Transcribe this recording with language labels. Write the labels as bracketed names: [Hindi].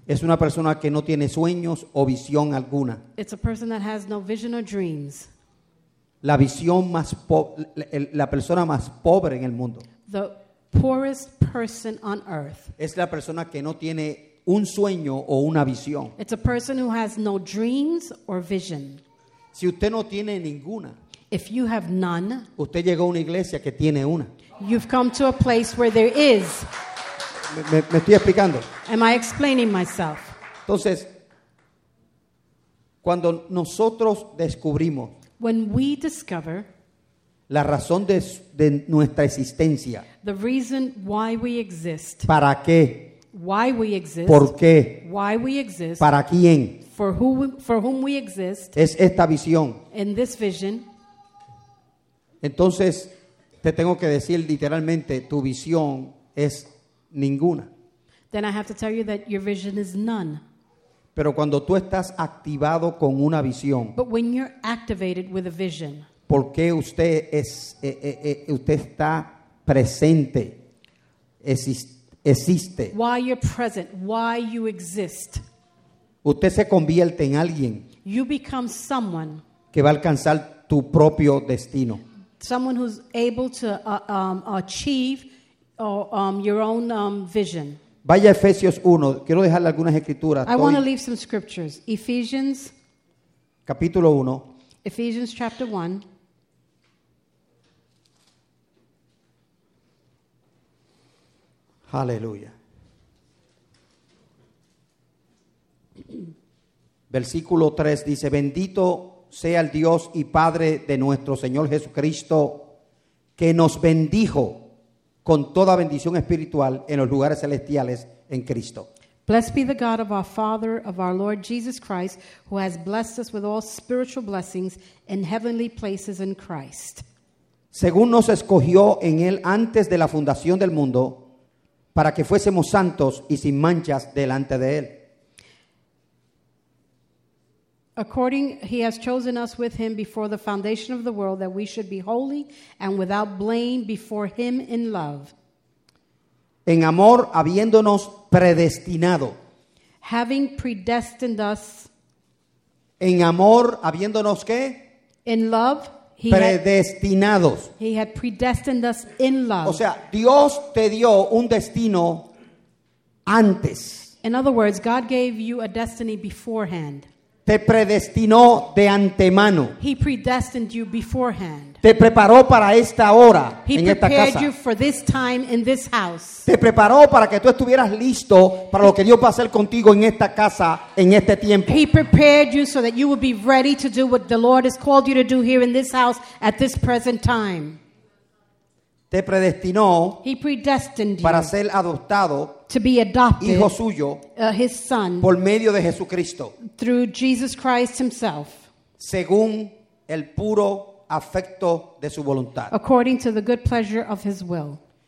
[Spanish] Es una persona que no tiene sueños o visión alguna. [English] It's a person that has no vision or dreams. [Spanish] La visión más la persona más pobre en el mundo. [English] The poorest person on earth. [Spanish] Es la persona que no tiene un sueño o una visión. [English] It's a person who has no dreams or vision. [Spanish] Si usted no tiene ninguna. [English] If you have none. [Spanish] Usted llegó a una iglesia que tiene una. [English] You've come to a place where there is. [Spanish] Me estoy explicando. [English] Am I explaining myself? [Spanish] Entonces, cuando nosotros descubrimos. [English] When we discover [Spanish] la razón de nuestra existencia, [English] the reason why we exist, [Spanish] para qué, [English] why we exist, [Spanish] por qué, [English] why we exist, [Spanish] para quién, [English] for whom we exist, [Spanish] es esta visión, [English] in this vision, [Spanish] entonces te tengo que decir literalmente, tu visión es ninguna. [English] Then I have to tell you that your vision is none. [Spanish] Pero cuando tú estás activado con una visión, [English] but when you're activated with a vision, [Spanish] ¿por qué usted usted está presente? Existe. [English] Why you're present? Why you exist? [Spanish] Usted se convierte en alguien. [English] You become someone [Spanish] que va a alcanzar tu propio destino. [English] Someone who's able to achieve your own vision. [Spanish] Vaya a Efesios 1. Quiero dejarle algunas escrituras. [English] I want to leave some scriptures. Ephesians. [Spanish] Capítulo 1. [English] Ephesians chapter 1. Hallelujah. [Spanish] Versículo 3 dice, bendito sea el Dios y Padre de nuestro Señor Jesucristo, que nos bendijo con toda bendición espiritual en los lugares celestiales en Cristo. [English] Blessed be the God of our Father, of our Lord Jesus Christ, who has blessed us with all spiritual blessings in heavenly places in Christ. [Spanish] Según nos escogió en él antes de la fundación del mundo, para que fuésemos santos y sin manchas delante de él. [English] According, he has chosen us with him before the foundation of the world that we should be holy and without blame before him in love. [Spanish] En amor, habiéndonos predestinado. [English] Having predestined us. [Spanish] En amor, habiéndonos qué? [English] In love. [Spanish] Predestinados. [English] He had predestined us in love. [Spanish] O sea, Dios te dio un destino antes. [English] In other words, God gave you a destiny beforehand. [Spanish] Te predestinó de antemano. [English] He predestined you beforehand. [Spanish] Te preparó para esta hora, [English] he [Spanish] en esta casa. [English] He prepared you for this time in this house. [Spanish] Te preparó para que tú estuvieras listo para lo que Dios va a hacer contigo en esta casa, en este tiempo. [English] He prepared you so that you would be ready to do what the Lord has called you to do here in this house at this present time. [Spanish] Te predestinó, [English] he predestined you, [Spanish] para ser adoptado, [English] to be adopted, [Spanish] hijo suyo, [English] his son, [Spanish] por medio de Jesucristo, [English] through Jesus Christ himself, [Spanish] según el puro afecto de su voluntad, [English] according to the good pleasure of his will.